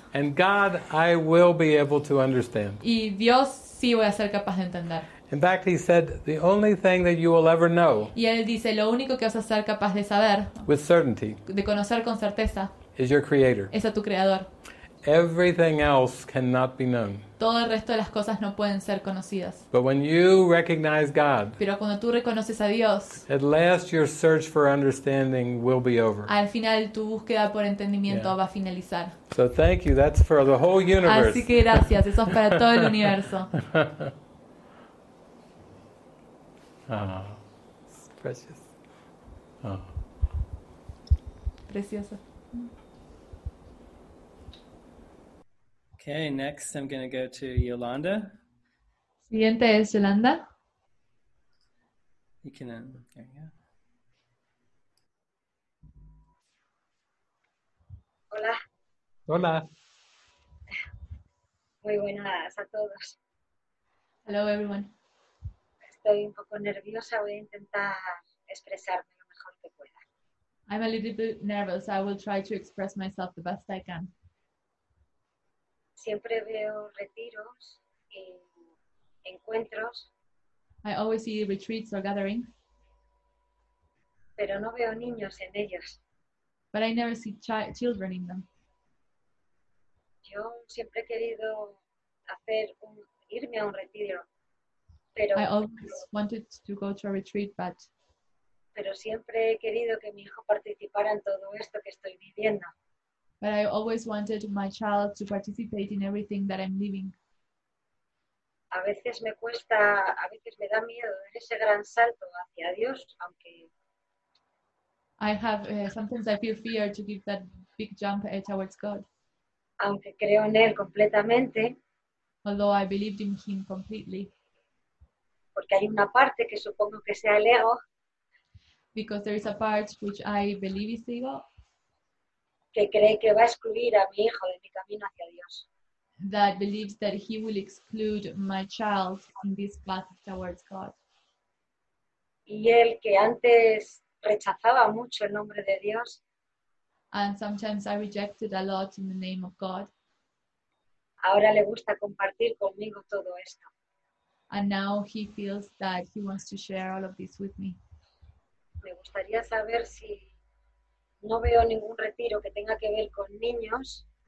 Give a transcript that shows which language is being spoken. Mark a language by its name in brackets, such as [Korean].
[English] And God, I will be able to understand. [Spanish] Y Dios sí voy a ser capaz de entender. [English] In fact, he said, "The only thing that you will ever know." [Spanish] Y él dice, lo único que vas a ser capaz de saber. [English] With certainty. [Spanish] De conocer con certeza. [English] Is your creator. [Spanish] Es a tu creador. [English] Everything else cannot be known. [Spanish] Todo el resto de las cosas no pueden ser conocidas. [English] But when you recognize God, [Spanish] pero cuando tú reconoces a Dios, [English] at last your search for understanding will be over. [Spanish] Al final tu búsqueda por entendimiento va a finalizar. [English] So thank you. That's for the whole universe. [Spanish] Así que gracias. Eso es para todo el universo. [English] Precious. [Spanish] Precioso. [English] Okay, next I'm going to go to Yolanda. [Spanish] Siguiente es Yolanda. [English] You can end. There you go. [Spanish] Hola. Hola. Muy buenas a todos. [English] Hello, everyone. [Spanish] Estoy un poco nerviosa. Voy a intentar expresarme lo mejor que pueda. [English] I'm a little bit nervous. I will try to express myself the best I can. [Spanish] Siempre veo retiros y encuentros. [English] I always see retreats or gatherings. [Spanish] Pero no veo niños en ellos. [English] But I never see children in them. [Spanish] yo siempre he querido hacer un, irme a un retiro, pero [English] I always wanted to go to a retreat, but [Spanish] pero siempre he querido que mi hijo participara en todo esto que estoy viviendo. [English] But I always wanted my child to participate in everything that I'm living. [Spanish] A veces me cuesta, a veces me da miedo dar ese gran salto hacia Dios, aunque [English] I have sometimes I feel fear to give that big jump towards God. [Spanish] Aunque creo en él completamente. [English] Although I believed in him completely. [Spanish] Porque hay una parte que supongo que sea el ego. [English] Because there is a part which I believe is ego. [Spanish] Que cree que va a excluir a mi hijo de mi camino hacia Dios. [English] That believes that he will exclude my child in this path towards God. [Spanish] Y él que antes rechazaba mucho el nombre de Dios. [English] And sometimes I rejected a lot in the name of God. [Spanish] Ahora le gusta compartir conmigo todo esto. [English] And now he feels that he wants to share all of this with me. [Spanish] Me gustaría saber si no veo ningún retiro que tenga que ver con niños.